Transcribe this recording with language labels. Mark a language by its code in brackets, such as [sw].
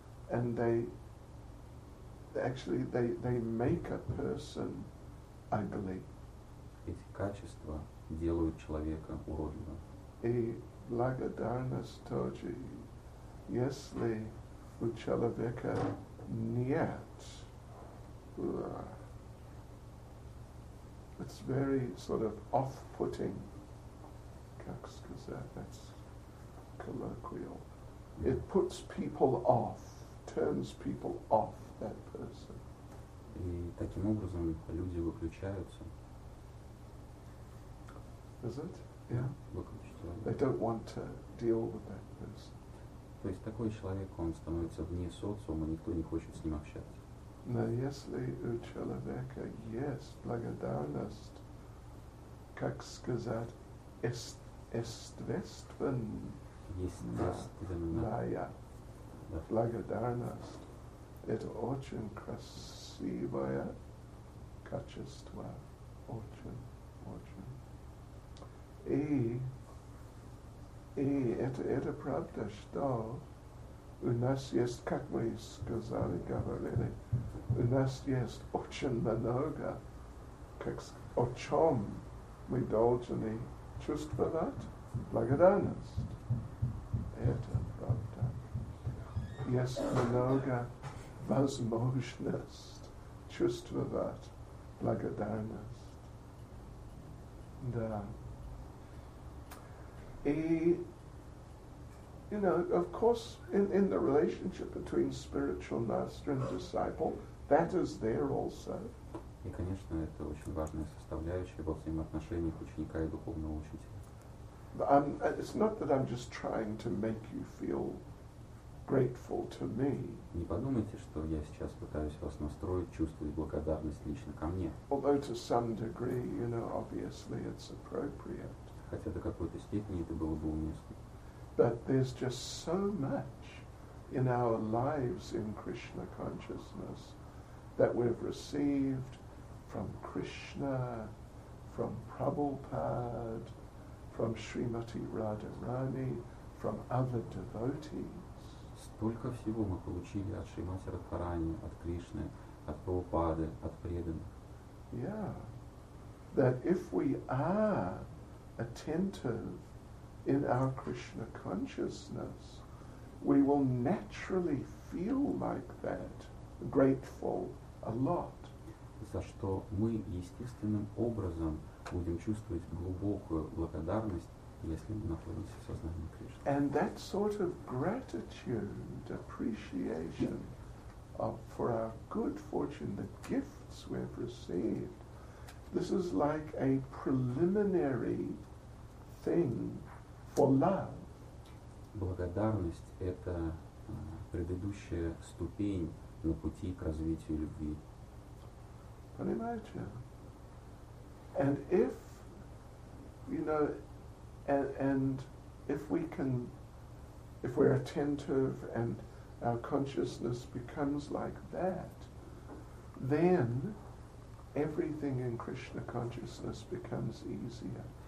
[en] And they actually they make a person ugly. [ru] Эти качества делают человека уродливым. И благодарность тоже. Если у человека нет. [en] It's very sort of off-putting. [ru] Как сказать? [en] That's colloquial. It puts people off, turns people off that person. [ru] И таким образом люди выключаются. [en] Is it? Yeah. They don't want to deal with that person. [ru] То есть такой человек, он становится вне социума, никто не хочет с ним общаться. Но если у человека есть благодарность, как сказать, естественная благодарность, это очень красивое качество, очень, очень. И это правда, что у нас есть, как мы сказали, говорили, у нас есть очень много, как, о чем мы должны чувствовать благодарность. Это правда. Есть много возможность чувствовать благодарность. Да. [en] И, you know, of course, in the relationship between spiritual master and disciple, that is there also. [ru] И, конечно, это очень важная составляющая во взаимоотношениях ученика и духовного учителя. [en] But it's not that I'm just trying to make you feel grateful to me. [ru] Не подумайте, что я сейчас пытаюсь вас настроить чувствовать благодарность лично ко мне. [en] Although to some degree, you know, obviously it's appropriate. [ru] Хотя до какой-то степени это было бы уместно. [en] But there's just so much in our lives in Krishna consciousness that we've received from Krishna, from Prabhupada, from Srimati Radharani, from other devotees. [ru] Столько всего мы получили от Шримати Радхарани, от Кришны, от Прабхупады, от преданных. [en] Yeah. That if we are attentive in our Krishna consciousness, we will naturally feel like that, grateful a lot. [ru] За что мы естественным образом будем чувствовать глубокую благодарность, если мы находимся в сознании Кришны. [en] And that sort of gratitude, appreciation for our good fortune, the gifts we have received, this is like a preliminary thing for love. [ru] Благодарность — это предыдущая ступень на пути к развитию любви. Понимаете? [en] And if, you know, and if we can, if we're attentive and our consciousness becomes like that, then everything in Krishna consciousness becomes easier.